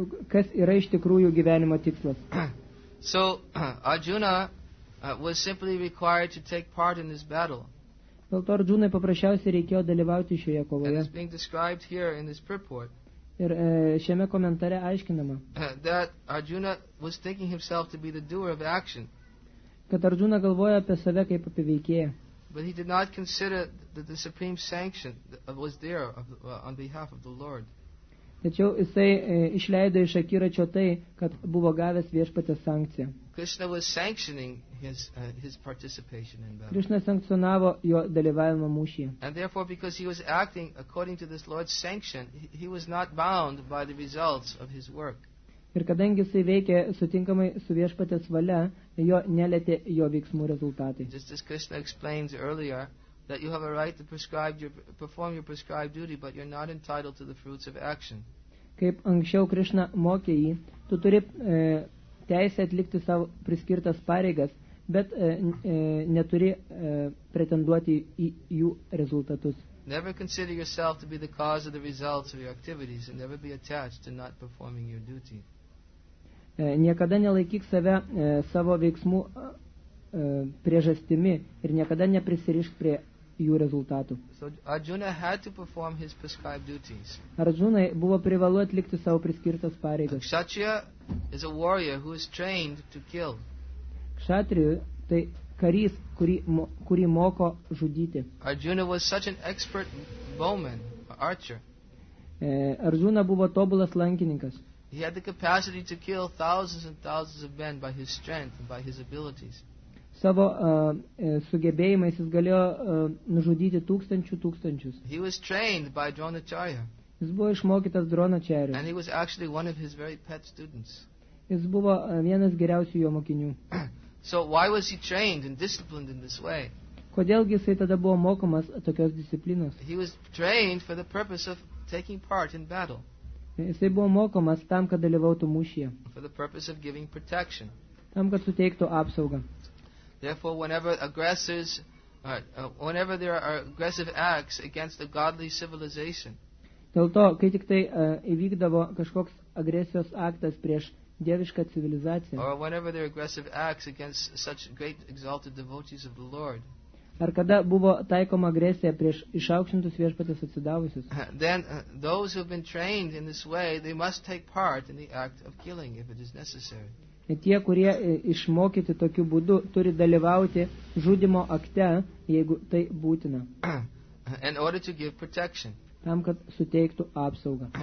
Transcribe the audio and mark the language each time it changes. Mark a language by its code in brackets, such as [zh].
[lt] Kas yra iš tikrųjų gyvenimo tikslas. [en] So, Arjuna was simply required to take part in this battle. [lt] Dėl to Arjunai paprasčiausiai reikėjo dalyvauti šioje kovoje. [en] And it's being described here in this purport. [lt] Ir šiame komentare aiškinama, [en] that Arjuna was thinking himself to be the doer of action. [lt] Kad Arjuna galvojo apie save kaip apie veikėją. [en] But he did not consider that the supreme sanction was there on behalf of the Lord. [lt] Tačiau jisai išleido iš akiračio tai, kad buvo gavęs viešpatės sankciją. [en] Krishna was sanctioning his participation in battle. [lt] Krishna sankcionavo jo dalyvavimą mūšyje. [en] And therefore, because he was acting according to this Lord's sanction, he was not bound by the results of his work. [lt] Ir kadangi jisai veikė sutinkamai su viešpatės valia, jo nelietė jo veiksmų rezultatai. [en] Just as Krishna explains earlier, that you have a right to perform your prescribed duty, but you're not entitled to the fruits of action. [lt] Kaip anksčiau Krishna mokė jį, tu turi teisę atlikti savo priskirtas pareigas, bet neturi pretenduoti į jų rezultatus. [en] Never consider yourself to be the cause of the results of your activities and never be attached to not performing your duty. [lt] Niekada nelaikyk save savo veiksmų priežastimi ir niekada neprisirišk prie jų rezultatų. [en] So Arjuna had to perform his prescribed duties. [lt] Arjunai buvo privalu atlikti savo priskirtas pareigas. [en] Kshatriya is a warrior who is trained to kill. [lt] Kshatriya tai karys, kurį moko žudyti. [en] Arjuna was such an expert bowman, archer. [lt] Arjuna buvo tobulas lankininkas. [en] He had the capacity to kill thousands and thousands of men by his strength and by his abilities. [lt] Savo sugebėjimais jis galėjo nužudyti tūkstančius. [en] He was trained by Dronacharya. [lt] Jis buvo išmokytas Dronacharya. [en] And he was actually one of his very pet students. [lt] Jis buvo vienas geriausių jo mokinių. [en] So why was he trained and disciplined in this way? [lt] Kodėlgi jisai tada buvo mokomas tokios disciplinos? [en] He was trained for the purpose of taking part in battle. [lt] Jisai buvo mokomas tam, kad dalyvautų mūšyje. [en] For the purpose of giving protection. [lt] Tam, kad suteiktų apsaugą. [en] Therefore, whenever there are aggressive acts against a godly civilization, [lt] dėl to, kai tik tai įvykdavo kažkoks agresijos aktas prieš dievišką civilizaciją, [en] or whenever there are aggressive acts against such great exalted devotees of the Lord, [lt] ar kada buvo taikoma agresija prieš išaukštintus viešpatės atsidavusius, [en] then those who have been trained in this way, they must take part in the act of killing if it is necessary. [lt] Tie, kurie išmokyti tokiu būdu, turi dalyvauti žudimo akte, jeigu tai būtina. [en] In order to give protection. [lt] Tam, kad suteiktų apsaugą.